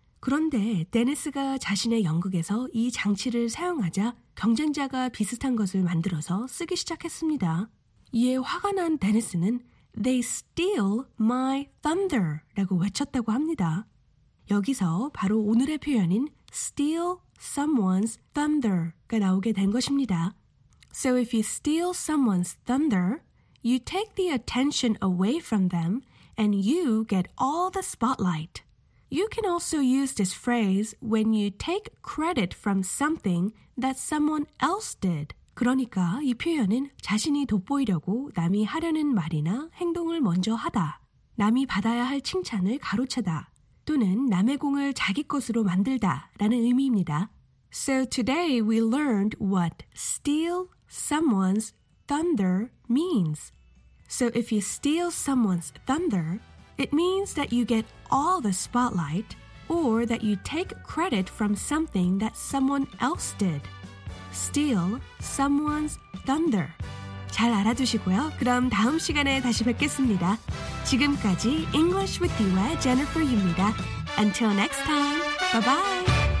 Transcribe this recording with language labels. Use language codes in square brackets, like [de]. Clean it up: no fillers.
[ko] 그런데 데니스가 자신의 연극에서 이 장치를 사용하자 경쟁자가 비슷한 것을 만들어서 쓰기 시작했습니다. 이에 화가 난 데니스는 They steal my thunder 라고 외쳤다고 합니다. 여기서 바로 오늘의 표현인 steal someone's thunder가 나오게 된 것입니다. [en] So if you steal someone's thunder, you take the attention away from them and you get all the spotlight. You can also use this phrase when you take credit from something that someone else did. [ko] 그러니까 이 표현은 자신이 돋보이려고 남이 하려는 말이나 행동을 먼저 하다, 남이 받아야 할 칭찬을 가로채다, 또는 남의 공을 자기 것으로 만들다 라는 의미입니다. [en] So today we learned what steal someone's thunder means. So if you steal someone's thunder, it means that you get all the spotlight or that you take credit from something that someone else did. Steal someone's thunder. [ko] 잘 알아두시고요. 그럼 다음 시간에 다시 뵙겠습니다. 지금까지 English with You의 Jennifer 유입니다. Until next time, bye-bye!